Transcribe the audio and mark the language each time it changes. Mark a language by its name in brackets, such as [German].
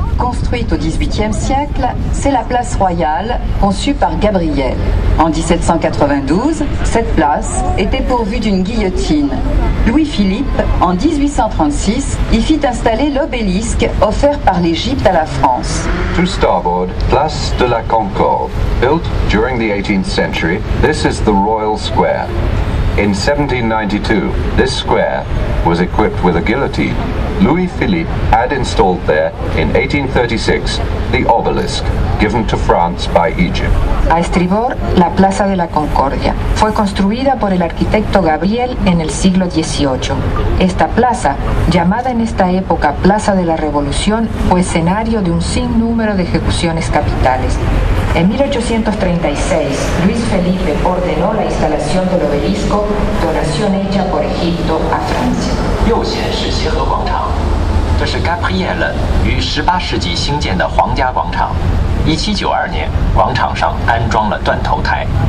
[French] Construite au XVIIIe siècle, c'est la place royale conçue par Gabriel. En 1792, cette place était pourvue d'une guillotine. Louis-Philippe, en 1836, y fit installer l'obélisque offert par l'Égypte à la France. [English] To starboard, place de la Concorde. Built during the 18th century, this is the Royal Square. In 1792, this square was equipped with a guillotine. Louis Philippe had installed there, in 1836, the obelisk given to France by Egypt. [Spanish] A estribor, la Plaza de la Concordia, fue construida por el arquitecto Gabriel en el siglo XVIII. Esta plaza, llamada en esta época Plaza de la Revolución, fue escenario de un sinnúmero de ejecuciones capitales. En 1836, Luis Felipe ordenó la instalación del obelisco, donación hecha por Egipto a Francia. [Chinese] 右前是协和广场，这是Gabriel于18世纪兴建的皇家广场。 1792年，广场上安装了断头台。